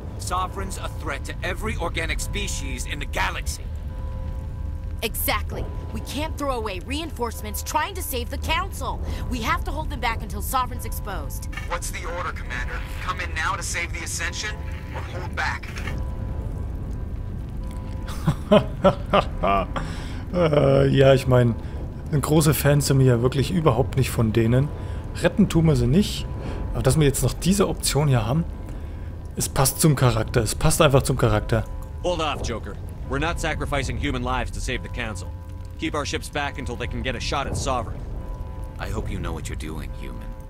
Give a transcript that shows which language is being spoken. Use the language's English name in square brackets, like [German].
[English] Sovereign's a threat to every organic species in the galaxy. Exactly. We can't throw away reinforcements trying to save the Council. We have to hold them back until Sovereign's exposed. What's the order, Commander? Come in now to save the Ascension, or hold back? [German] ja, ich meine, ein großer Fan sind wir ja wirklich überhaupt nicht von denen. Retten tun wir sie nicht, aber dass wir jetzt noch diese Option hier haben, es passt zum Charakter, es passt einfach zum Charakter. [English] Hold off, Joker. We're not sacrificing human lives to save the Council. Keep our ships back until they can get a shot at Sovereign. I hope you know what you're doing, human.